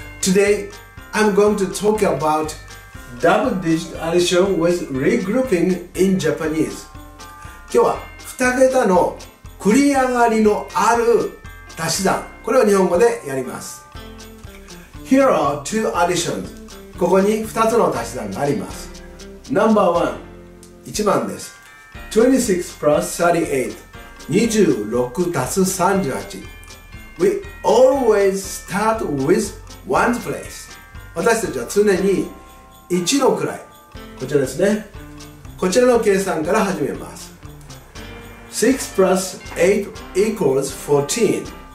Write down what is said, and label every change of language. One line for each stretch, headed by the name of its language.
English: Today, I'm going to talk about double digit addition with regrouping in Japanese.
Japanese: 今日は2桁の繰り上がりのある足し算。これを日本語でやります。
English: Here are two additions.
Japanese: ここに2つの足し算があります。
English: Number 1.
Japanese: 1番です。
English: 26 plus 38.
Japanese: 26たす38。
English: We always start with one's place.
Japanese: 私たちは常に1の位。こちらですね。こちらの計算から始めます。
English: 6 plus 8 equals 14。